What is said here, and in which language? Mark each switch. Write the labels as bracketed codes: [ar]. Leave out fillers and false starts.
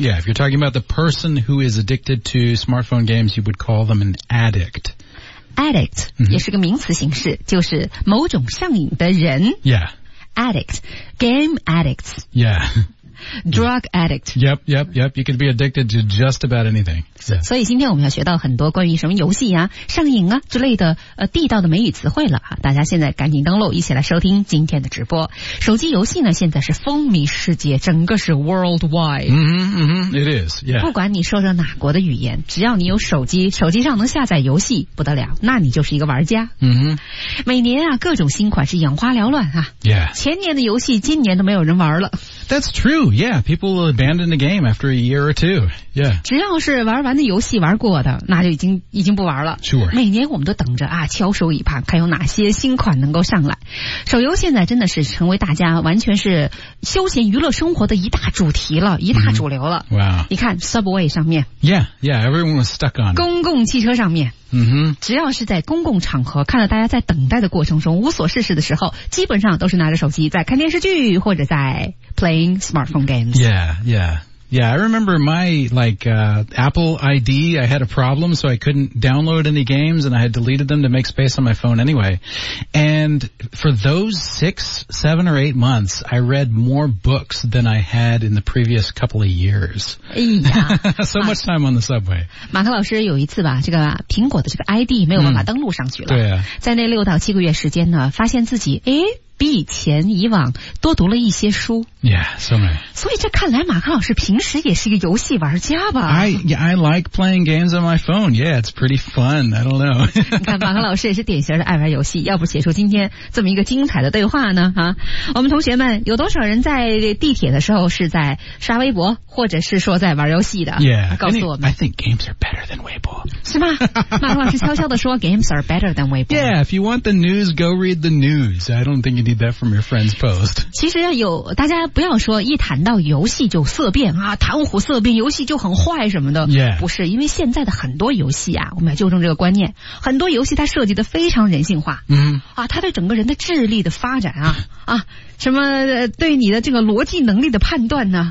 [en] yeah if you're talking about the person who is addicted to smartphone games you would call them an addict addict、mm-hmm. [zh] 也是个名词形式，就是某种上瘾的人。 [en] Yeah. Addict. Game addicts. Yeah. Drug addict. Yep, yep, yep. You can be addicted to just about anything.、Yeah. [zh] 所以今天我们要学到很多关于什么游戏啊、上瘾啊之类的地道的美语词汇了啊！大家现在赶紧登录，一起来收听今天的直播。手机游戏呢，现在是风靡世界，整个是 [en] worldwide. Mm-hmm, mm-hmm. It is. Yeah. [zh] 不管你说着哪国的语言，只要你有手机，手机上能下载游戏，不得了，那你就是一个玩家。嗯、mm-hmm. 每年啊，各种新款是眼花缭乱啊。 [en] Yeah. [zh] 前年的游戏，今年都没有人玩了。 [en] That's true. Yeah, people will abandon the game after a year or two. Yeah. [zh] 只要是玩完的游戏玩过的，那就已经不玩了。 [en] Sure. [zh] 每年我们都等着啊，翘首以盼，看有哪些新款能够上来。手游现在真的是成为大家完全是休闲娱乐生活的一大主题了，一大主流了。 [en] Mm-hmm. Wow. [zh] 你看 Subway 上面。 [en] Yeah, yeah, everyone was stuck on it. [zh] 公共汽车上面。 [en] Mm-hmm. [zh] 只要是在公共场合看到大家在等待的过程中无所事事的时候，基本上都是拿着手机在看电视剧或者在 [en] playing smartphone games. Yeah, yeah. Yeah, I remember my Apple ID, I had a problem so I couldn't download any games and I had deleted them to make space on my phone anyway. And for those 6, 7, or 8 months, I read more books than I had in the previous couple of years. so much time on the subway. [zh] 马克老师有一次吧，这个苹果的这个 ID 没有办法登录上去了。对啊。在那6到7个月时间呢，发现自己比以前以往多读了一些书。 [en] Yeah, so many. [zh] 所以这看来马克老师平时也是一个游戏玩家吧。 [en] I like playing games on my phone. Yeah, it's pretty fun. I don't know. [zh] 你看马克老师也是典型的爱玩游戏，要不写出今天这么一个精彩的对话呢啊。我们同学们有多少人在地铁的时候是在刷微博或者是说在玩游戏的。 [en] Yeah. [zh] 告诉我们。 [en] I think games are better than Weibo. [zh] 是吗？马克老师悄悄地说 [en] games are better than Weibo. Yeah, if you want the news, go read the news. I don't think you need that from your friend's post. [zh] 其实有大家不要说一谈到游戏就色变啊，谈虎色变，游戏就很坏什么的。 [en] Yeah. [zh] 不是，因为现在的很多游戏啊，我们要纠正这个观念，很多游戏它设计的非常人性化。 [en] Mm-hmm. [zh] 啊，它对整个人的智力的发展啊啊，什么对你的这个逻辑能力的判断呢、啊？